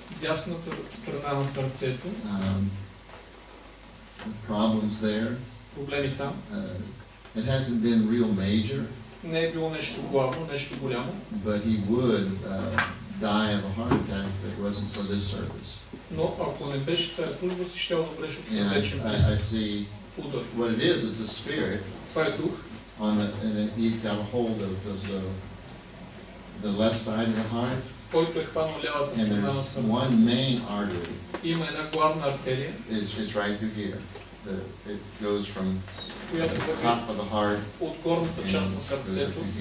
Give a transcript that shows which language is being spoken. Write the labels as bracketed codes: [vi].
[bg] Дясната страна на сърцето. [en] Problems there. [bg] Проблеми там. [en] It hasn't been real major. [bg] Не е било нещо главно, нещо голямо. [en] But he would die of a heart attack if it wasn't for this service. [bg] Но ако не беше тая служба, си ще одобреш от сърдечен удар. [en] I see what it is. It's a spirit. [bg] Това е дух. [en] And then he's got a hold of the left side of the heart. And there's one main artery. [bg] Има една главна артерия. [en] It's right through here. It goes from the top of the heart. [bg] От горната част на сърцето.